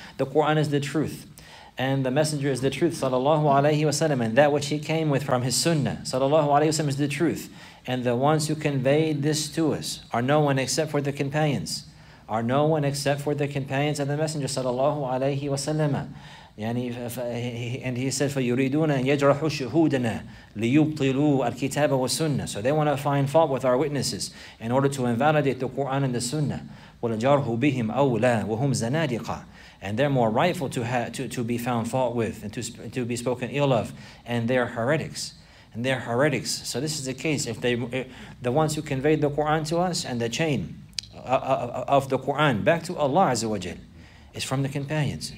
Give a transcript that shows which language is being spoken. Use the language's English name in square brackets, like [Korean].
[English] The Qur'an is the truth, and the Messenger is the truth sallallahu alayhi wasallam, and that which he came with from his sunnah sallallahu alayhi wasallam is the truth. And the ones who conveyed this to us are no one except for the companions. Are no one except for the companions of the Messenger sallallahu alayhi wasallam. And he said, [Arabic] فَيُرِيدُونَ أَنْ يَجْرَحُوا شُهُودَنَا لِيُبْطِلُوا الْكِتَابَ وَالسُنَّةَ. [English] So they want to find fault with our witnesses in order to invalidate the Qur'an and the sunnah. [Arabic] وَلَجَرْهُ بِهِمْ أَوْلَى وَهُمْ زَنَادِقَ. [English] And they're more rightful to be found fault with and to be spoken ill of. And they're heretics. So this is the case. The ones who conveyed the Qur'an to us and the chain of the Qur'an back to Allah Azza wa Jal is from the companions.